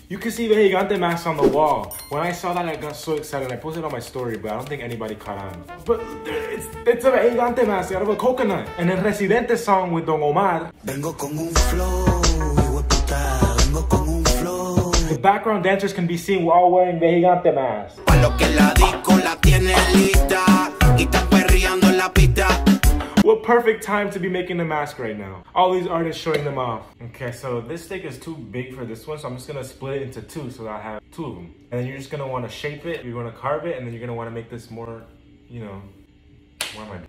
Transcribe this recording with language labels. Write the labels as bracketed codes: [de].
[en] You can see Vejigante masks on the wall. When I saw that, I got so excited. I posted it on my story, but I don't think anybody caught on. But it's a Vejigante mask out of a coconut. And then Residente song with Don Omar. [es] Vengo con un flow, puta. Vengo con un flow. [en] The background dancers can be seen while wearing Vejigante masks. [es] Pa lo que la disco la tiene lista. Y está perreando en la pista. [en] What perfect time to be making the mask right now. All these artists showing them off. Okay, so this stick is too big for this one, so I'm just gonna split it into two so that I have two of them. And then you're just gonna wanna shape it, you're gonna carve it, and then you're gonna wanna make this more, you know, what am I doing?